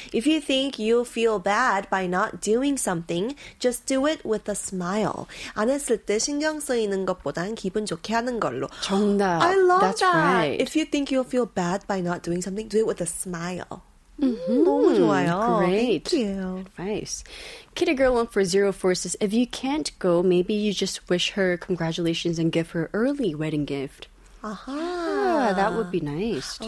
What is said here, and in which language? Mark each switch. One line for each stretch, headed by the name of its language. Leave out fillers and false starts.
English: If you think you'll feel bad by not doing something, just do it with a smile.
Korean: 안 했을 때 신경 쓰이는 것보단 기분 좋게 하는 걸로. 정답.
English: I love That's that. Right. If you think you'll feel bad by not doing something, do it with a smile. Mm-hmm.
Korean: 너무 좋아요.
English: Great. Thank you. Advice. Kitty Girl 1404 says, if you can't go, maybe you just wish her congratulations and give her early wedding gift. That would be nice, too.